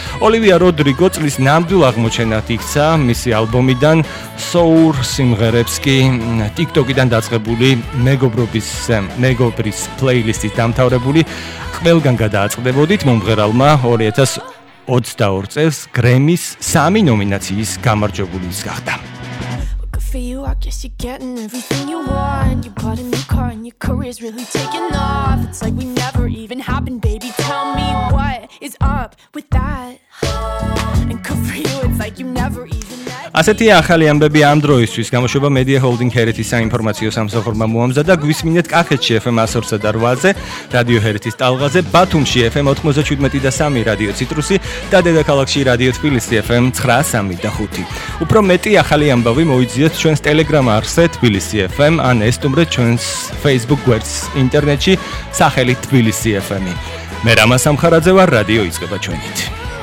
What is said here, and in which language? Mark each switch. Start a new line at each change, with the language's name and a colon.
Georgian: ოლივია როდრიგო წლის ნამდვილ აღმოჩენად იქცა მისი ალბომიდან Soul სიმღერებს კი TikTok-იდან დაწყებული მეგობრის პლეილისტის დამთავრებული ყველგან გადააწყდებოდით. მომღერალმა 2022 წელს გრემის 3 ნომინაციის გამარჯვებული ის გახდა.
English: For you, I guess you're getting everything you want. You bought a new car and your career's really taking off. It's like we never even happened, baby. Tell me what is up with that. And good for you, it's like you never even met.
Georgian: ასეთია ახალი ამბები ამ დროისთვის. გამოშვება Media Holding Heritage-ის საინფორმაციო სამსახურმა მოამზადა და გვისმინეთ კახეთში FM 108.8-ზე, Radio Heritage-ის ტალღაზე, ბათუმში FM 97.3, Radio Citrus-ი და დედაქალაქში Radio Tbilisi FM 93.5. უფრო მეტი ახალი ამბავი მოიძიეთ ჩვენს Telegram არხზე Tbilisi FM ან ესტუმრეთ ჩვენს Facebook გვერდს ინტერნეტში სახელით Tbilisi FM-ი. მე რამაზ სამხარაძე ვარ, რადიო იწყება ჩვენით.